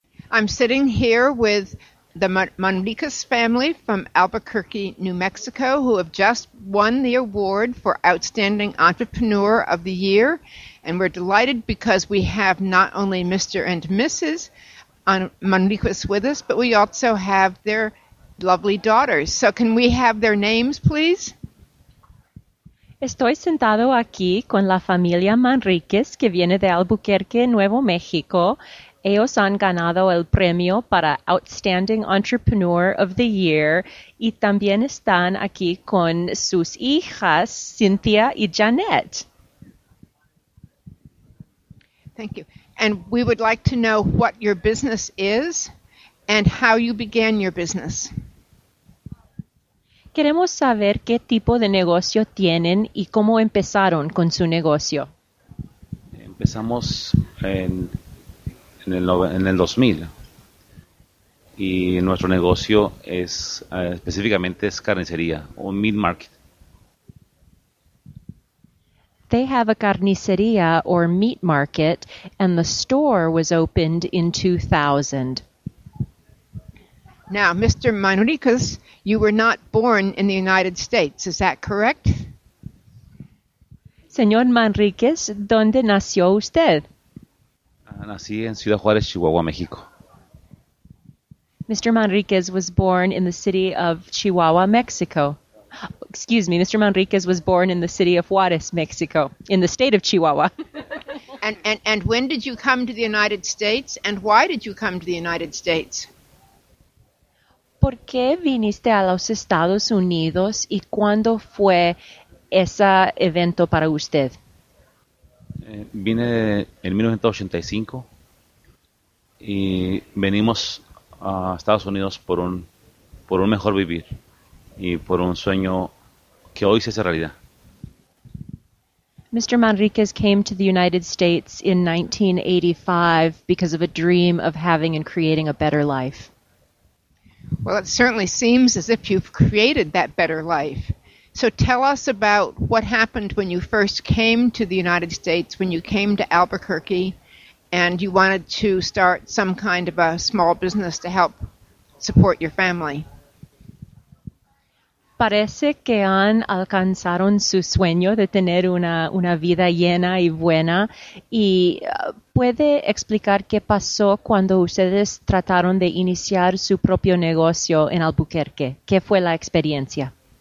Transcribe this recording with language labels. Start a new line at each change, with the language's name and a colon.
English: I'm sitting here with the Manriquez family from Albuquerque, New Mexico, who have just won the award for Outstanding Entrepreneur of the Year. And we're delighted because we have not only Mr. and Mrs. Manriquez with us, but we also have their lovely daughters. So can we have their names, please?
Spanish: Estoy sentado aquí con la familia Manriquez, que viene de Albuquerque, Nuevo México. Ellos han ganado el premio para Outstanding Entrepreneur of the Year. Y también están aquí con sus hijas, Cynthia y Janet.
English: Thank you. And we would like to know what your business is and how you began your business.
Spanish: Queremos saber qué tipo de negocio tienen y cómo empezaron con su negocio. Empezamos en el 2000 y nuestro negocio es específicamente es carnicería, un
English: meat market. They have a carnicería or meat market and the store was opened in 2000. Now, Mr. Manriquez, you were not born in the United States, is that correct?
Spanish: Señor Manriquez, ¿dónde nació usted? Nací en Ciudad Juárez, Chihuahua, México.
English: Mr. Manriquez was born in the city of Chihuahua, Mexico. Excuse me, Mr. Manriquez was born in the city of Juárez, Mexico, in the state of Chihuahua. And when did you come to the United States, and why did you come to the United States?
Spanish: ¿Por qué viniste a los Estados Unidos y cuándo fue ese evento para usted? Vine en 1985 y venimos a Estados Unidos por un mejor vivir y por un sueño que hoy se hace realidad.
English: Mr. Manriquez came to the United States in 1985 because of a dream of having and creating a better life. Well, it certainly seems as if you've created that better life. So tell us about what happened when you first came to the United States, when you came to Albuquerque, and you wanted to start some kind of a small business to help support your family.
Spanish: Parece que han alcanzado su sueño de tener una vida llena y buena. ¿Y puede explicar qué pasó cuando ustedes trataron de iniciar su propio negocio en Albuquerque? ¿Qué fue la experiencia?